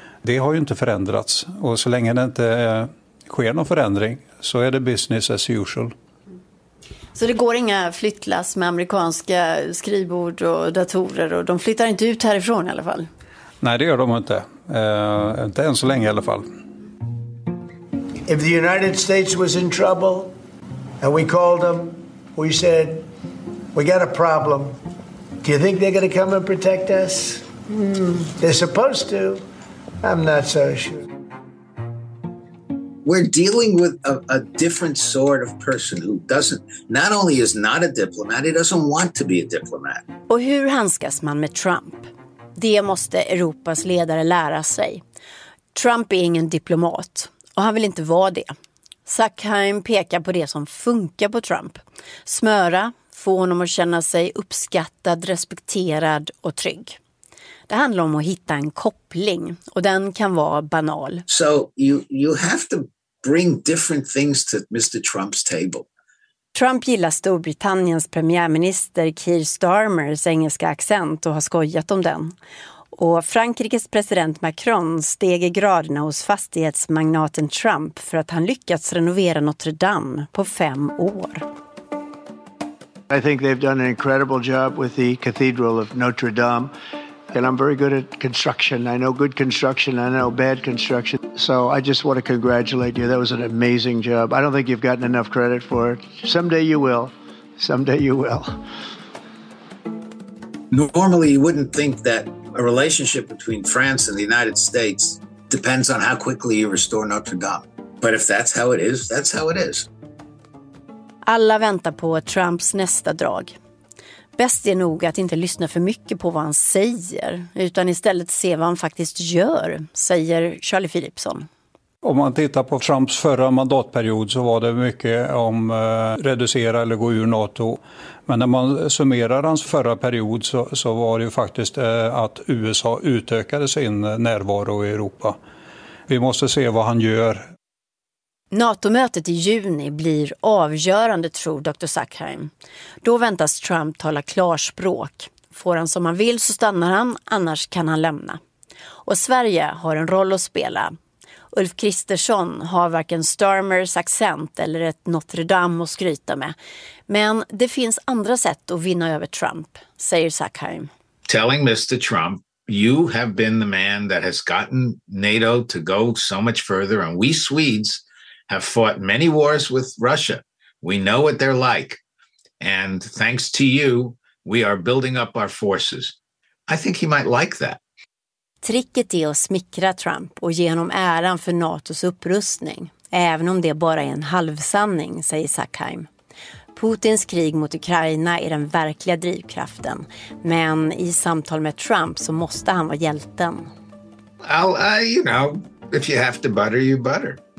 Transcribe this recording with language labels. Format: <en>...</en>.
<sv>Det har ju inte förändrats och så länge det inte sker någon förändring så är det</sv> <en>business as usual.</en> <sv>Så det går inga flyttlass med amerikanska skrivbord och datorer och de flyttar inte ut härifrån i alla fall? Nej, det gör de inte. Inte än så länge i alla fall.</sv> <en>If the United States was in trouble and we called them, we said, we got a problem. Do you think they're going to come and protect us? They're supposed to. I'm not so sure. We're dealing with a different sort of person who doesn't, not only is not a diplomat, he doesn't want to be a diplomat.</en> <sv>Och hur handskas man med Trump? Det måste Europas ledare lära sig. Trump är ingen diplomat och han vill inte vara det. Sackheim pekar på det som funkar på Trump. Smöra, få honom att känna sig uppskattad, respekterad och trygg. Det handlar om att hitta en koppling och den kan vara banal.</sv> <en>So you have to bring different things to Mr. Trump's table.</en> <sv>Trump gillar Storbritanniens premiärminister Keir Starmers engelska accent och har skojat om den. Och Frankrikes president Macron steg i graderna hos fastighetsmagnaten Trump för att han lyckats renovera Notre Dame på 5 år.</sv> <en>I think they've done an incredible job with the Cathedral of Notre Dame. And I'm very good at construction. I know good construction, I know bad construction. So I just want to congratulate you. That was an amazing job. I don't think you've gotten enough credit for it. Someday you will. Someday you will. Normally you wouldn't think that a relationship between France and the United States depends on how quickly you restore Notre Dame. But if that's how it is, that's how it is.</en> <sv>Alla väntar på Trumps nästa drag. Bäst är nog att inte lyssna för mycket på vad han säger, utan istället se vad han faktiskt gör, säger Charlie Philipson. Om man tittar på Trumps förra mandatperiod så var det mycket om reducera eller gå ur NATO. Men när man summerar hans förra period så var det ju faktiskt att USA utökade sin närvaro i Europa. Vi måste se vad han gör. NATO-mötet i juni blir avgörande, tror Dr. Sackheim. Då väntas Trump tala klarspråk. Får han som han vill så stannar han, annars kan han lämna. Och Sverige har en roll att spela. Ulf Kristersson har varken Starmers accent eller ett Notre Dame att skryta med. Men det finns andra sätt att vinna över Trump, säger Sackheim.</sv> <en>Telling Mr. Trump You have been the man that has gotten NATO to go so much further. And we Swedes have fought many wars with Russia. We know what they're like. And thanks to you, we are building up our forces. I think he might like that.</en> <sv>Tricket är att smickra Trump och ge honom äran för NATOs upprustning, även om det bara är en halvsanning, säger Sackheim. Putins krig mot Ukraina är den verkliga drivkraften, men i samtal med Trump så måste han vara hjälten.</sv> <en>I'll, if you have to butter, you butter.</en>